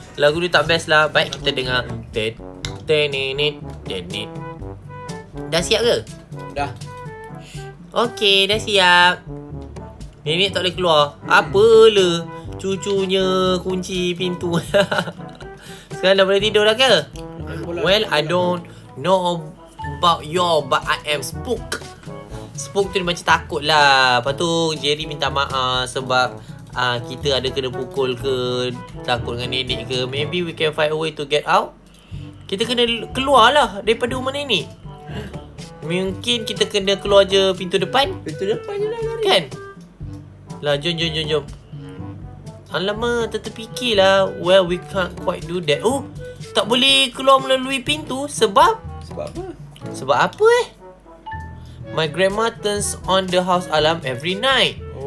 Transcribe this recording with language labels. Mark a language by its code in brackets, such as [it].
[ms] Lagu dia tak best lah. Baik, kita dengar. Dah siap ke? Dah. Okey, dah siap. Nenek tak boleh keluar. Apalah. Cucunya kunci pintu. Sekarang dah boleh tidur dah ke? [en] Well, I don't know about you, but I am spook. [ms] Spook tu dia macam takut lah. Lepas tu, Jerry minta maaf sebab kita ada kena pukul ke, takut dengan nenek ke. [en] Maybe we can find a way to get out. [ms] Kita kena keluar lah daripada rumah nenek. Mungkin kita kena keluar je pintu depan. Pintu depan je lah lari. Kan? Lah, jom. Alamak, tak terfikir lah. [en] Well, we can't quite do that. [ms] Oh, tak boleh keluar melalui pintu sebab? Sebab apa? Sebab apa eh? [en] My grandma turns on the house alarm every night.